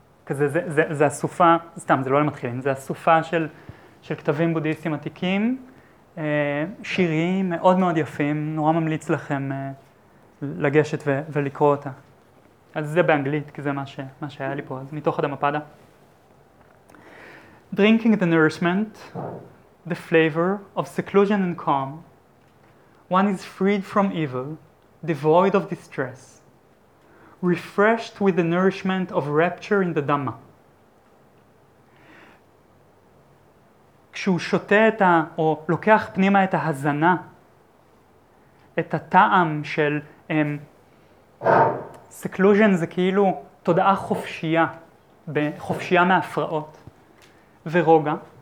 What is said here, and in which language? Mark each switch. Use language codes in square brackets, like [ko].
[he] כזה, זה אסופה, סתם, זה לא למתחילים, זה אסופה של כתבים בודהיסטים עתיקים, שירים מאוד מאוד יפים, נורא ממליץ לכם לגשת ולקרוא אותה. אז זה באנגלית, כי זה מה שהיה לי פה, אז מתוך הדמפדה. [en] Drinking the nourishment, the flavor of seclusion and calm, one is freed from evil, devoid of distress, refreshed with the nourishment of rapture in the Dhamma. [he] כשהוא שותה את ה... או לוקח פנימה את ההזנה, את הטעם של... סקלוז'ן זה כאילו תודעה חופשייה, חופשייה מהפרעות ורוגע.